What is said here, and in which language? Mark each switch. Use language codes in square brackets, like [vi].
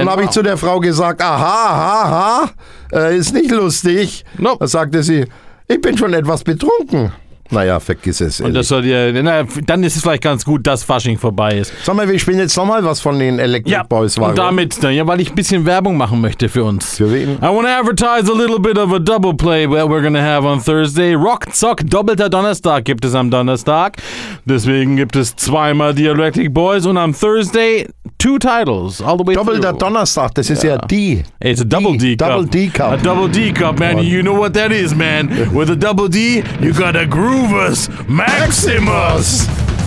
[de] Dann habe ich zu der Frau gesagt, aha, aha, aha. Ist nicht lustig. Nope. Da sagte sie, ich bin schon etwas betrunken. Naja, vergiss es. Und das soll ja, naja, dann ist es vielleicht ganz gut, dass Fasching vorbei ist. Sag mal, wir spielen jetzt nochmal was von den Electric Boys. Ja, und damit, ja, weil ich ein bisschen Werbung machen möchte für uns. Für wen? [en] I want to advertise a little bit of a double play that we're going to have on Thursday. [de] Rockzock, doppelter Donnerstag gibt es am Donnerstag. Deswegen gibt es zweimal die Electric Boys. Und am [en] Thursday, two titles all the way double through. [de] Doppelter Donnerstag, das ist ja D. [en] It's a double D, D cup. Double D cup. A double D cup, man. You know what that is, man. With a double D, you got a Groovers Maximus!